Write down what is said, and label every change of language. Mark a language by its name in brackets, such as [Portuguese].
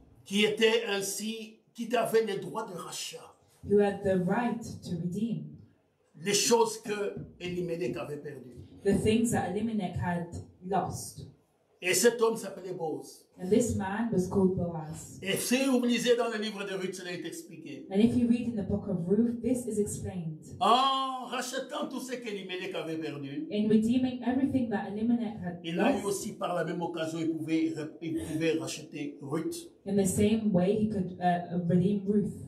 [French] Qui était ainsi, qui avait les droits de rachat. [English] Who had the right to redeem. [French] Les choses que Elimelech avait perdues. [English] The things that Elimelech had lost. [French] Et cet homme s'appelait Boaz. [English] And this man was called Boaz. [French] Et si vous lisez dans le livre de Ruth, cela est expliqué. [English] And if you read in the book of Ruth, this is explained. [French] En rachetant tout ce qu'Elimelech avait perdu. [English] In redeeming everything that Elimelech had lost. [French] Et là, lui aussi, par la même occasion, il pouvait racheter Ruth. [English] In the same way, he could redeem Ruth.